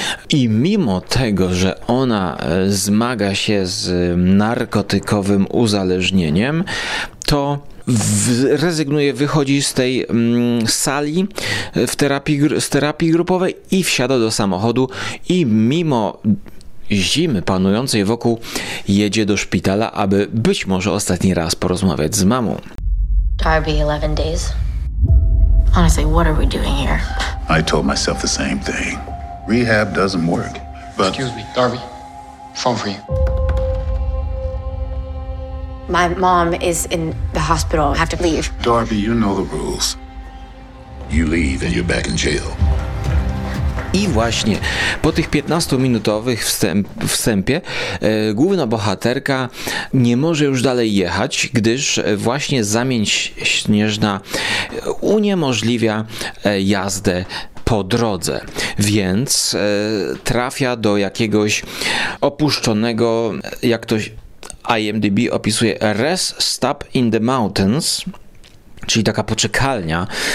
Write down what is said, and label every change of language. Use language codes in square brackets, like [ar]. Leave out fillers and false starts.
[pl] i mimo tego, że ona zmaga się z narkotykowym uzależnieniem, to rezygnuje, wychodzi z tej sali w terapii, z terapii grupowej, i wsiada do samochodu, i mimo zimy panującej wokół jedzie do szpitala, aby być może ostatni raz porozmawiać z mamą. [en] RB 11 days. Honestly, what are we doing here? I told myself the same thing. Rehab doesn't work. But excuse me, Darby. Phone for you. My mom is in the hospital. I have to leave. Darby, you know the rules. You leave and you're back in jail. [pl] I właśnie po tych 15-minutowych wstępie główna bohaterka nie może już dalej jechać, gdyż właśnie zamień śnieżna uniemożliwia jazdę po drodze, więc trafia do jakiegoś opuszczonego, jak to IMDb opisuje, [en] rest stop in the mountains, [pl] czyli taka poczekalnia.